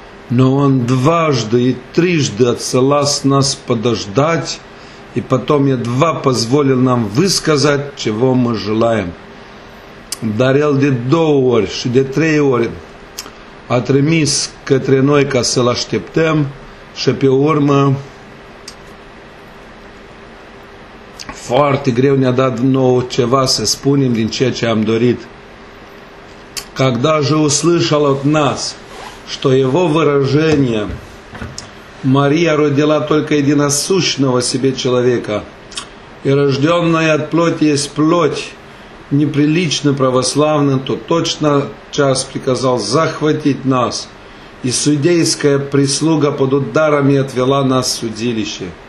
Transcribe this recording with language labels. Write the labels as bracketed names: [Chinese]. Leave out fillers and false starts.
[Russian] Но он дважды и трижды отсылал нас подождать, и потом едва позволил нам высказать, чего мы желаем. [Romanian] Dar el de două ori și de trei ori a trimis către noi ca să-l așteptăm și pe urmă foarte greu ne-a dat nouă ceva să spunem din ceea ce am dorit. [Russian] Когда же услышал от нас, что его выражение Мария родила только единосущного себе человека, и рожденная от плоти есть плоть, неприлично православным, то точно час приказал захватить нас, и судейская прислуга под ударами отвела нас в судилище.